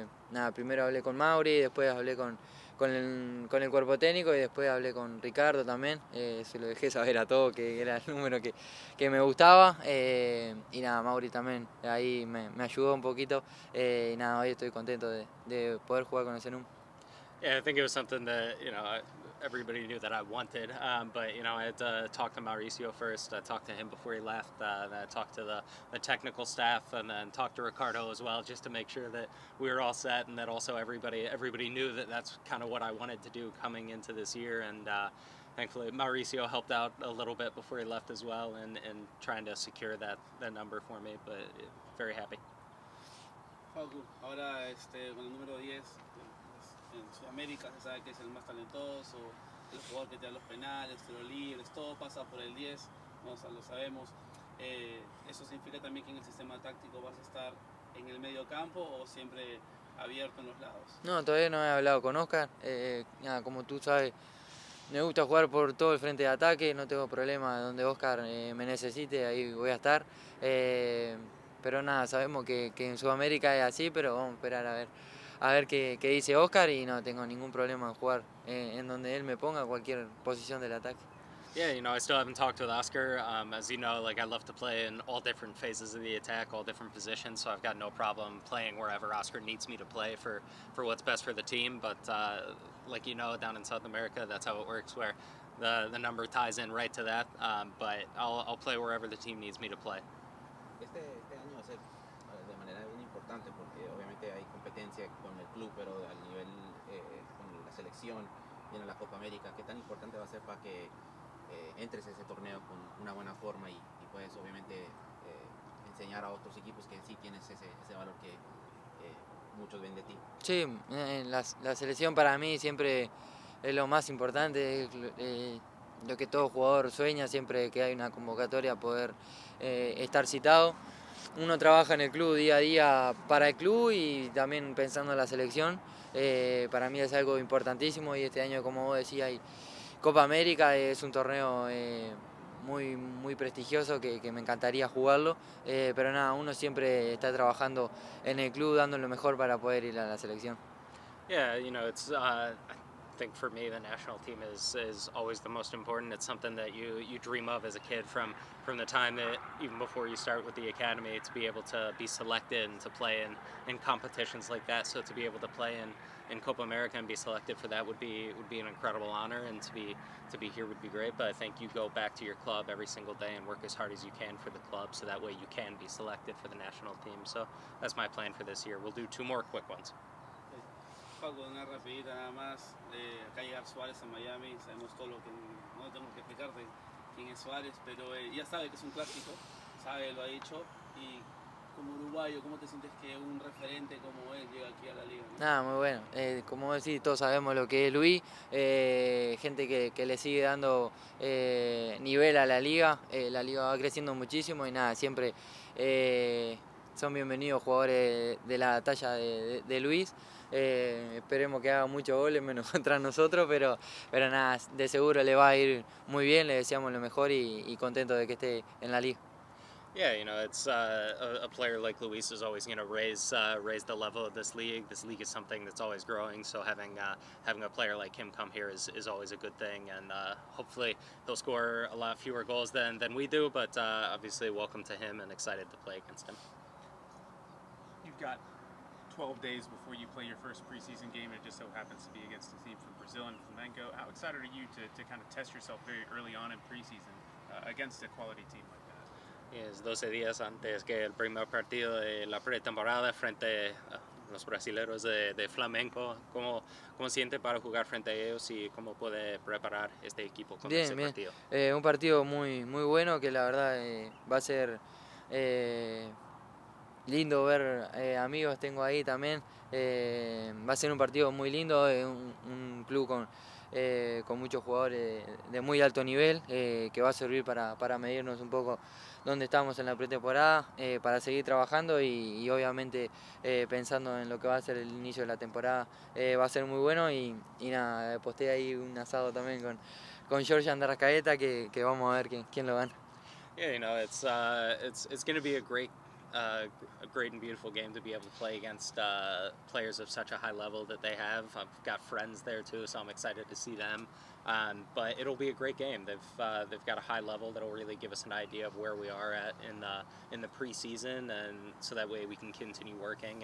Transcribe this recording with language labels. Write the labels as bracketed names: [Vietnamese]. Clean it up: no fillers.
[Spanish] nada, primero hablé con Mauri, después hablé con el cuerpo técnico y después hablé con Ricardo también, se lo dejé saber a todos que era el número que me gustaba, y nada, Mauri también ahí me ayudó un poquito, y nada, hoy estoy contento de poder jugar con ese número. [English] Yeah, I think it was something that, you know, everybody knew that I wanted, but, you know, I had to talk to Mauricio first. I talked to him before he left, then I talked to the technical staff, and then talked to Ricardo as well, just to make sure that we were all set, and that also everybody knew that that's kind of what I wanted to do coming into this year, and thankfully Mauricio helped out a little bit before he left as well in trying to secure that number for me, but very happy. [Spanish] Ahora, con el número 10, en Sudamérica se sabe que es el más talentoso, el jugador que te da los penales, los libres, todo pasa por el 10, ¿no? O sea, lo sabemos. ¿Eso significa también que en el sistema táctico vas a estar en el medio campo o siempre abierto en los lados? No, todavía no he hablado con Oscar. Nada, como tú sabes, me gusta jugar por todo el frente de ataque, no tengo problema donde Oscar me necesite, ahí voy a estar. Pero nada, sabemos que en Sudamérica es así, pero vamos a esperar a ver. A ver qué dice Oscar y no tengo ningún problema en jugar en donde él me ponga cualquier posición del ataque. [English] Yeah, you know, I still haven't talked with Oscar. As you know, like, I love to play in all different phases of the attack, all different positions, so I've got no problem playing wherever Oscar needs me to play for what's best for the team. But like, you know, down in South America, that's how it works, where the number ties in right to that. But I'll play wherever the team needs me to play. [Spanish] Este año va a ser de manera bien importante porque obviamente hay competencia con el club, pero al nivel con la selección viene la Copa América. ¿Qué tan importante va a ser para que entres a ese torneo con una buena forma y puedes obviamente enseñar a otros equipos que sí tienes ese valor que muchos ven de ti? Sí, la selección para mí siempre es lo más importante. Lo que todo jugador sueña siempre que hay una convocatoria, poder estar citado. Uno trabaja en el club día a día para el club y también pensando en la selección. Para mí es algo importantísimo y este año, como vos decías, Copa América es un torneo muy, muy prestigioso que me encantaría jugarlo. Pero nada, uno siempre está trabajando en el club, dando lo mejor para poder ir a la selección. [English] Yeah, you know, it's... I think for me the national team is always the most important. It's something that you dream of as a kid from the time that even before you start with the academy, to be able to be selected and to play in competitions like that. So to be able to play in Copa America and be selected for that would be an incredible honor, and to be here would be great. But I think you go back to your club every single day and work as hard as you can for the club, so that way you can be selected for the national team. So that's my plan for this year. We'll do two more quick ones. [Spanish] Paco, una rapidita nada más, acá llegar Suárez a Miami, sabemos todo lo que, no tengo que explicarte quién es Suárez, pero ya sabe que es un clásico, sabe, lo ha dicho, y como uruguayo, ¿cómo te sientes que un referente como él llega aquí a la liga? ¿No? Nada, muy bueno, como decís, todos sabemos lo que es Luis, gente que le sigue dando nivel a la liga va creciendo muchísimo y nada, siempre son bienvenidos jugadores de la talla de Luis. Esperemos que haga muchos goles menos contra nosotros, pero nada, de seguro le va a ir muy bien, le deseamos lo mejor y contento de que esté en la liga. [English] Yeah, you know, it's a player like Luis is always going to raise the level of this league. This league is something that's always growing, so having a player like him come here is always a good thing, and hopefully he'll score a lot fewer goals than we do, but obviously welcome to him and excited to play against him. You've got 12 days before you play your first preseason game, and it just so happens to be against a team from Brazil and Flamengo. How excited are you to kind of test yourself very early on in preseason against a quality team like that? Yes, [Spanish] 12 días antes que el primer partido de la pretemporada frente a los brasileros de Flamengo. ¿Cómo siente para jugar frente a ellos y cómo puede preparar este equipo con bien, ese bien. Partido? Un partido muy, muy bueno que la verdad va a ser... lindo ver amigos, tengo ahí también. Va a ser un partido muy lindo, un club con muchos jugadores de muy alto nivel, que va a servir para medirnos un poco dónde estamos en la pretemporada, para seguir trabajando y obviamente pensando en lo que va a ser el inicio de la temporada. Va a ser muy bueno y nada, posté ahí un asado también con Jorge Andarrascaeta, que vamos a ver quién lo gana. [English] Yeah, you know, it's going to be a great and beautiful game to be able to play against players of such a high level that they have. I've got friends there too, so I'm excited to see them. But it'll be a great game. They've got a high level that'll really give us an idea of where we are at in the preseason, and so that way we can continue working.